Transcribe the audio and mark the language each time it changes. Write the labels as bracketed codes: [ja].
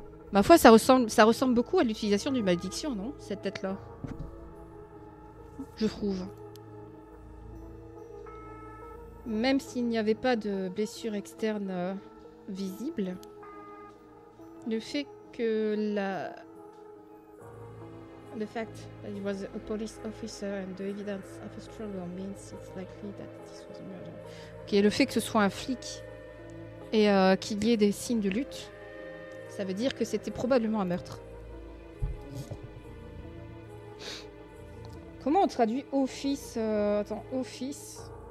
[fr] Ma foi, ça ressemble beaucoup à l'utilisation d'une malédiction, non? Cette tête-là. Je trouve. Même s'il n'y avait pas de blessure externe visible, le fait que la... [en] The fact that he was a police officer and the evidence of a struggle means it's likely that this was a murder. [fr] Ok, le fait que ce soit un flic et qu'il y ait des signes de lutte, ça veut dire que c'était probablement un meurtre. Comment on traduit office Attends, office.